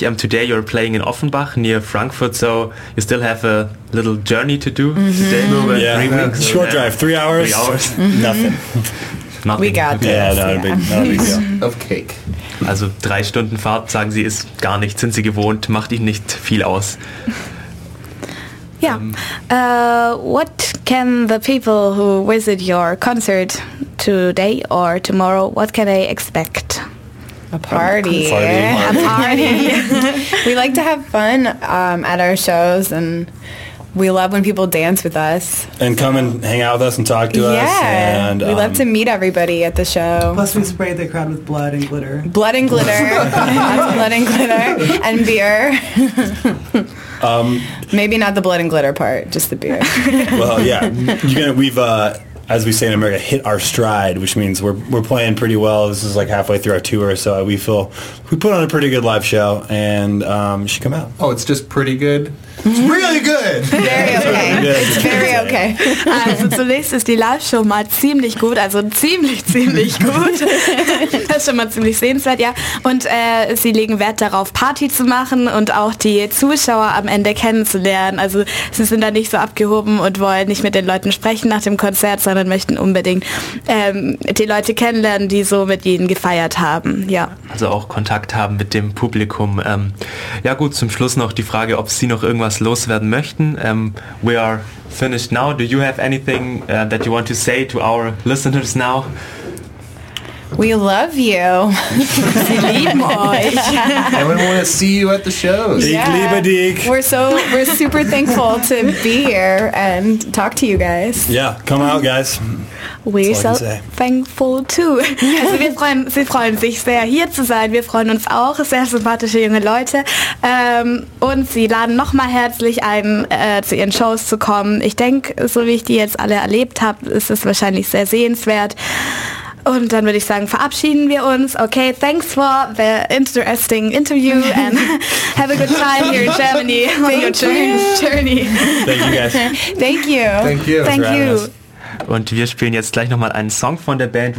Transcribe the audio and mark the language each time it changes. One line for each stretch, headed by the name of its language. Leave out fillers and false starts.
English: Today you're playing in Offenbach near Frankfurt, so you still have a little journey to do today. Mm-hmm. Yeah, short drive, 3 hours. 3 hours. Mm-hmm. Nothing. We got this. Yeah, not a big deal. Of cake.
German: Also 3 Stunden Fahrt, sagen sie, ist gar nichts. Sind sie gewohnt, macht ihnen nicht viel aus.
English: Yeah. What can the people who visit your concert today or tomorrow, what can they expect? A party. A party. We like to have fun at our shows, and we love when people dance with us. And come and hang out with us and talk to us. Yeah. And, we love to meet everybody at the show. Plus we spray the crowd with blood and glitter. Blood and glitter. And beer. Maybe not the blood and glitter part, just the beer. Well, yeah, as we say in America, hit our stride, which means we're playing pretty well. This is like halfway through our tour, so we put on a pretty good live show, and you should come out. Oh, it's just pretty good? It's really good! Very okay. It's very okay.
German: Also zunächst ist die Live-Show mal ziemlich gut, also ziemlich, ziemlich gut. Das ist schon mal ziemlich sehenswert, ja. Und sie legen Wert darauf, Party zu machen und auch die Zuschauer am Ende kennenzulernen. Also sie sind da nicht so abgehoben und wollen nicht mit den Leuten sprechen nach dem Konzert, sondern möchten unbedingt die Leute kennenlernen, die so mit ihnen gefeiert haben. Ja. Also auch Kontakt haben mit dem Publikum. Ja gut, zum Schluss noch die Frage, ob Sie noch irgendwas loswerden möchten.
English: We are finished now. Do you have anything that you want to say to our listeners now? We love you.
German: Sie lieben euch.
English: And we want to see you at the shows.
German: Ich liebe dich.
English: We're super thankful to be here and talk to you guys. Yeah, come out, guys. We're so thankful too.
German: Also sie freuen sich sehr, hier zu sein. Wir freuen uns auch. Sehr sympathische junge Leute. Und sie laden nochmal herzlich ein, zu ihren Shows zu kommen. Ich denke, so wie ich die jetzt alle erlebt habe, ist es wahrscheinlich sehr sehenswert. Und dann würde ich sagen, verabschieden wir uns.
English: Okay, thanks for the interesting interview and have a good time here in Germany on your journey. Thank you guys. Thank you. Thank you.
German: Und wir spielen jetzt gleich nochmal einen Song von der Band.